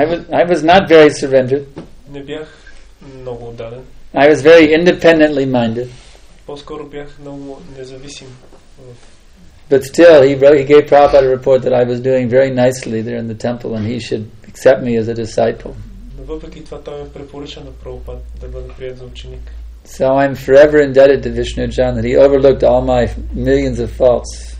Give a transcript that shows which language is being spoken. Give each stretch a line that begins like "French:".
English: I was not very surrendered.
Bulgarian: Не бях много отдаден.
English: I was very independently minded.
Bulgarian: По-скоро бях много независим.
English: But still, he gave Prabhupada a report that I was doing very nicely there in the temple and he should accept me as a disciple.
Bulgarian: Въпреки това, той ме препоръча на Прабхупад да бъда прият за ученик.
English: So I'm forever indebted to Vishnu Jan that he overlooked all my millions of faults.